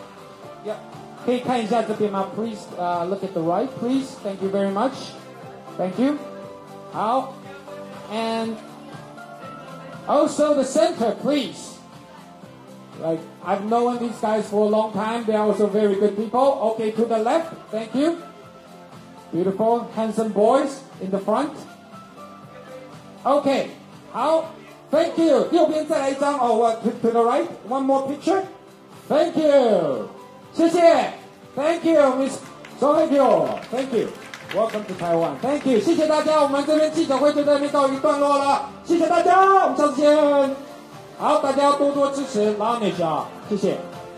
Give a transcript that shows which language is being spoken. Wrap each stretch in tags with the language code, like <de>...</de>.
<zh>台湾的媒体朋友们，韩文现在都变得很好哦，对不对？来秀一下你们韩文。好，可以看一下这边吗 ？</zh> <en>Please, look at the right, please. Thank you very much. Thank you. 好 ，and also the center, please. Like I've known these guys for a long time. They are also very good people. Okay, to the left. Thank you. Beautiful, handsome boys. In the front. Okay. 好 ，Thank you.</en> <zh>右边再来一张哦，我</zh> <en>to the right. One more picture. Thank you.</en> <zh>谢谢</zh> <en>，Thank you, Miss Sohaibio. Thank you. Welcome to Taiwan. Thank you.</en> <zh>谢谢大家，我们这边记者会就在这边告一段落了。谢谢大家，我们下次见。好，大家要多多支持 Lineage 啊，谢谢。</zh>